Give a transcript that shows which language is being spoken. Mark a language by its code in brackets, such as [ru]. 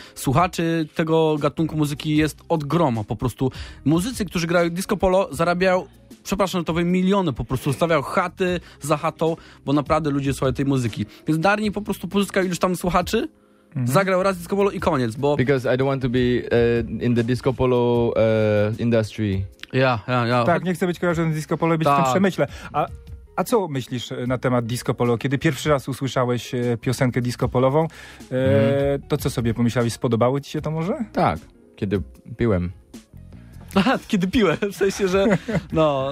[pl] Słuchaczy tego gatunku muzyki jest od groma po prostu. Muzycy, którzy grają disco polo, zarabiają przepraszam, to wy miliony po prostu stawiał chaty za chatą, bo naprawdę ludzie słuchają tej muzyki. Więc Darni po prostu pozyskał ilość tam słuchaczy, zagrał raz Disco Polo i koniec, bo... [en] Because I don't want to be in the Disco Polo industry. [pl] Tak, nie chcę być kojarzony z Disco Polo, być w tym przemyśle. A co myślisz na temat Disco Polo? Kiedy pierwszy raz usłyszałeś piosenkę Disco Polową, to co sobie pomyślałeś? Spodobało ci się to może? Tak, kiedy piłem. Kiedy piłem, w sensie, że no...